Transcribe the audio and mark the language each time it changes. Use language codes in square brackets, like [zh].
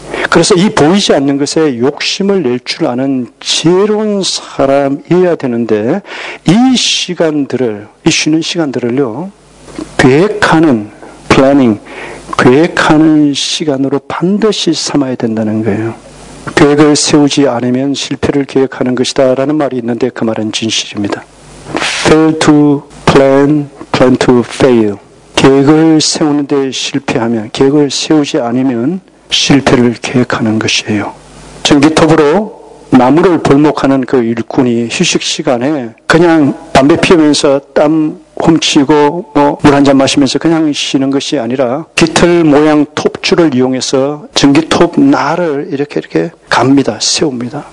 [ko] 그래서 이 보이지 않는 것에 욕심을 낼 줄 아는 지혜로운 사람이어야 되는데 이 시간들을, 이 쉬는 시간들을요, 계획하는 플래닝, 계획하는 시간으로 반드시 삼아야 된다는 거예요. 계획을 세우지 않으면 실패를 계획하는 것이다 라는 말이 있는데 그 말은 진실입니다. [en] Fail to plan, plan to fail. [ko] 계획을 세우는데 실패하면, 계획을 세우지 않으면 실패를 계획하는 것이에요. 전기톱으로 나무를 벌목하는 그 일꾼이 휴식 시간에 그냥 담배 피우면서 땀 훔치고 뭐 물 한잔 마시면서 그냥 쉬는 것이 아니라 깃털 모양 톱줄을 이용해서 전기톱 날을 이렇게 갑니다. 세웁니다.